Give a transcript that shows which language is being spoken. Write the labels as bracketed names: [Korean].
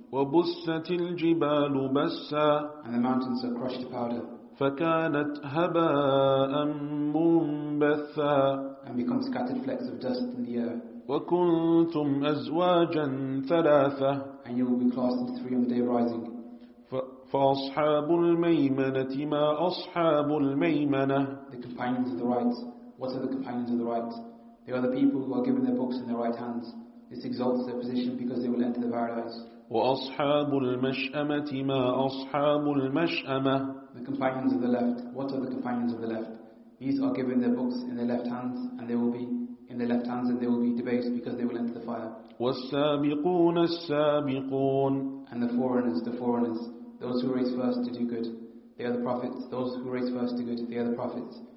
[Arabic] وبست الجبال بسا. [English] And the mountains are crushed to powder. [Arabic] فكانت هباء منبثا. [English] And become scattered flecks of dust in the air. [Arabic] وكنتم أزواجا ثلاثة. [English] And you will be classed into three on the day of rising. [Arabic] فأصحاب الميمنة ما أصحاب الميمنة. [English] The companions of the right. What are the companions of the right? They are the people who are given their books in their right hands. This exalts their position because they will enter the paradise. [Arabic] وأصحاب المشأمة ما أصحاب المشأمة. [English] The companions of the left. What are the companions of the left? These are given their books in their left hands, and they will be in their left hands, and they will be debased because they will enter the fire. [Arabic] والسابقون السابقون. [English] And the foreigners, those who race first to do good. the other prophets, those who race first to go to the other prophets.